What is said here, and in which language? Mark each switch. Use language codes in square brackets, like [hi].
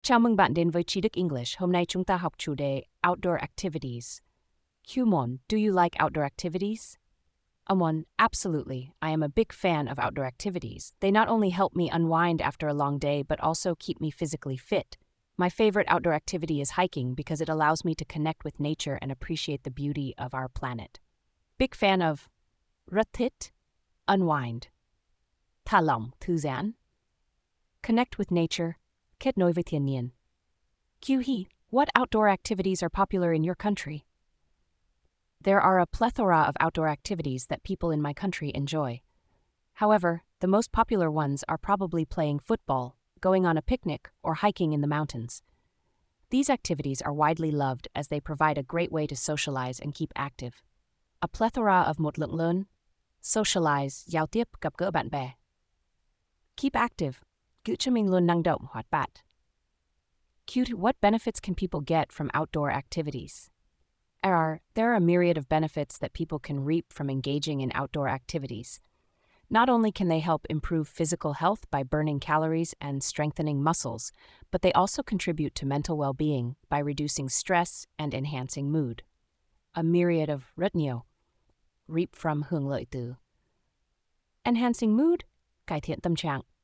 [vi] Chào mừng bạn đến với Trí Đức English. Hôm nay chúng ta học chủ đề Outdoor Activities. [en] Kumon, do you like outdoor activities? Amon, absolutely. I am a big fan of outdoor activities. They not only help me unwind after a long day, but also keep me physically fit. My favorite outdoor activity is hiking because it allows me to connect with nature and appreciate the beauty of our planet. Big fan of [vi] rất thích, [en] unwind. [vi] Thả lỏng, thư giãn. [en] Connect with nature. [vi] Kết nối với thiên nhiên. [en] Kyuhi, what outdoor activities are popular in your country? There are a plethora of outdoor activities that people in my country enjoy. However, the most popular ones are probably playing football, going on a picnic, or hiking in the mountains. These activities are widely loved as they provide a great way to socialize and keep active. A plethora of [vi] một lượng lớn, socialize, giao tiếp, gặp gỡ bạn bè. [en] Keep active. [vi] Giữ cho mình luôn năng động, hoạt bát. [en] Cute, what benefits can people get from outdoor activities? There are a myriad of benefits that people can reap from engaging in outdoor activities. Not only can they help improve physical health by burning calories and strengthening muscles, but they also contribute to mental well-being by reducing stress and enhancing mood. A myriad of [vi] rất nhiều. [en] Reap from [vi] hưởng lợi từ. [en] Enhancing mood, [vi] cải thiện tâm trạng.